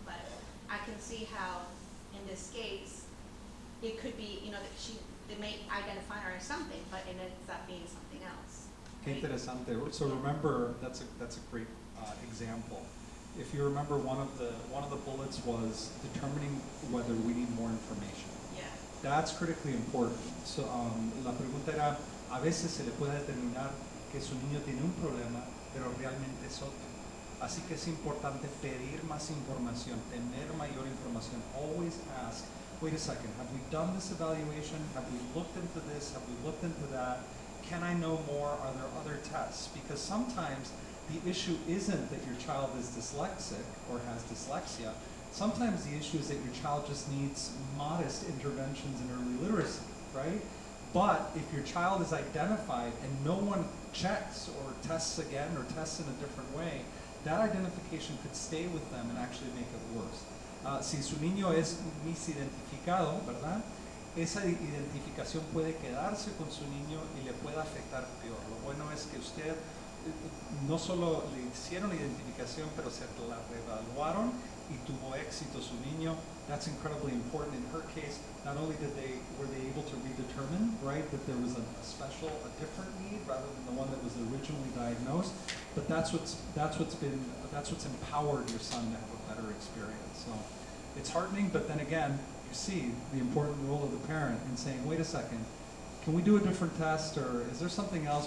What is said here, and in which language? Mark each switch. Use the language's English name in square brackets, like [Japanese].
[English] But I can see how in this case, it could be, you know, that they may identify her as something, but it ends up being something else. [Spanish] Qué interesante. [English] So remember, that's a great example. If you remember, one of the bullets was determining whether we need more information. Yeah. That's critically important. [Spanish] So la pregunta era, a veces se le puede determinar que su niño tiene un problema, pero realmente es otro. Así que es importante pedir más información, tener mayor información. [English] Always ask, wait a second, have we done this evaluation? Have we looked into this? Have we looked into that? Can I know more? Are there other tests? Because sometimes the issue isn't that your child is dyslexic or has dyslexia. Sometimes the issue is that your child just needs modest interventions in early literacy, right? But if your child is identified and no one checks or tests again or tests in a different way, that identification could stay with them and actually make it worse. [Spanish] Si su niño es misidentificado, ¿verdad? Esa identificación puede quedarse con su niño y le puede afectar peor. Lo bueno es que usted no solo le hicieron la identificación, pero se la reevaluaron y tuvo éxito su niño. [English] That's incredibly important. In her case, not only were they able to redetermine, right, that there was a different need rather than the one that was originally diagnosed, but that's what's empowered your son to have a better experience. So it's heartening, but then again, you see the important role of the parent in saying, wait a second, can we do a different test or is there something else?